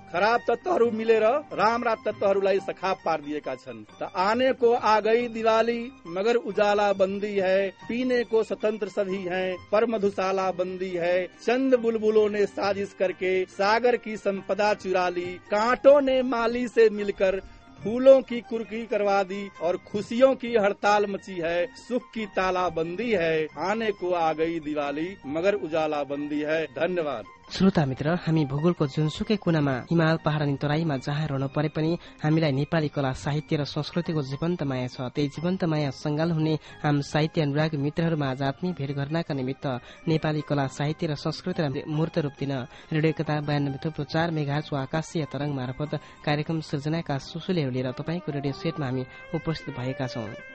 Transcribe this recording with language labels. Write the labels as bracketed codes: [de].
[ne] खराब तत्वहरू मिलेर राम्रा तत्वहरूलाई सखाप पार दिएका छन्। [hi] त आने को आ गई दिवाली, मगर उजाला बंदी है। पीने को स्वतंत्र सभी है, पर मधुशाला बंदी है। चंद बुलबुलों ने साजिश करके सागर की संपदा चुराली, कांटों ने माली से मिलकर फूलों की कुर्की करवा दी। और खुशियों की हड़ताल मची है, सुख की तालाबंदी है। आने को आ गई दिवाली, मगर उजाला बंदी है। धन्यवाद। [ne] श्रोता मित्र, हामी भूगोलको जुनसुकै कुनामा हिमाल पहाड अनि तराईमा जहाँ रहनु परे पनि हामीलाई नेपाली कला साहित्य र संस्कृतिको जीवन्त माया छ। त्यही जीवन्त माया सङ्गाल हुने आम साहित्य अनुराग मित्रहरूमा आज आफ्नै भेट गर्नका निमित्त नेपाली कला साहित्य र संस्कृतिलाई मूर्त रूप दिन रेडियो एकता 92.4 मेगाहर्जको आकाशीय तरङ मार्फत कार्यक्रम सृजनाका सुसुलेहरू लिएर तपाईँको रेडियो सेटमा हामी उपस्थित भएका छौं।